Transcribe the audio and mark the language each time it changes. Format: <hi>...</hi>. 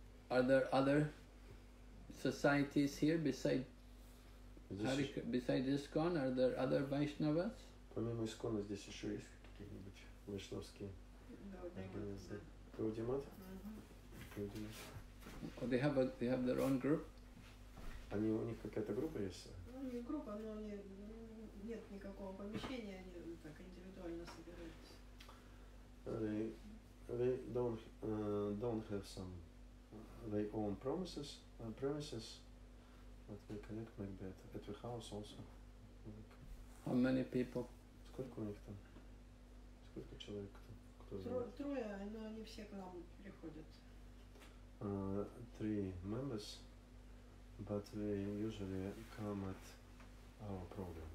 <en>Are there other societies here beside ISKCON, are there other Vaishnavas?</en> <ru>Помимо ISKCON-а здесь еще есть какие-нибудь вайшнавские организации? Каудимат?</ru> <en>They have their own group?</en> <ru>Они, у них какая-то группа есть? Ну, не группа, но нет никакого помещения, они так индивидуально собираются.</ru> <en>They don't have some they own promises. Premises that we collect like that at the house also. Like, how many people?</en> <ru>Сколько у них там? Сколько человек там? Трое, но они все к нам приходят.</ru> <en>Three members, but they usually come at our program.</en>